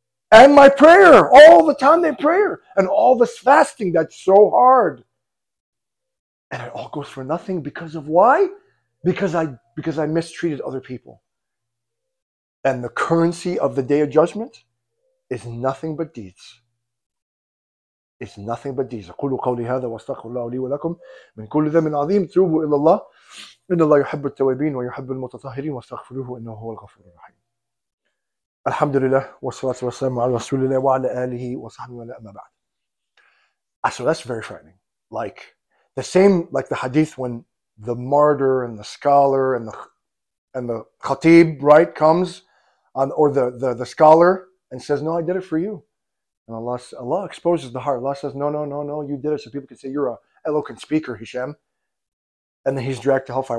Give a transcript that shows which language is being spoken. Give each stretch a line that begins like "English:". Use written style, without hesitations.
English: And my prayer, all the time they prayer. And all this fasting that's so hard. And it all goes for nothing because of why? Because I mistreated other people. And the currency of the Day of Judgment is nothing but deeds. It's nothing but deeds.
Arabic: أقول قولي هذا واستغفر الله لي ولكم من كل ذنب عظيم توبوا إلى الله إن الله يحب التوابين ويحب المتطهرين واستغفروه إنه هو الغفور الرحيم. الحمد لله والصلاة والسلام على رسول الله وعلى آله وصحبه ولا أما بعد.
English: So that's very frightening. Like the same like the hadith when the martyr and the scholar and the khatib, right, comes on, or the scholar and says, no, I did it for you. And Allah exposes the heart. Allah says, no, you did it so people can say you're a eloquent speaker, Hisham. And then he's dragged to hellfire.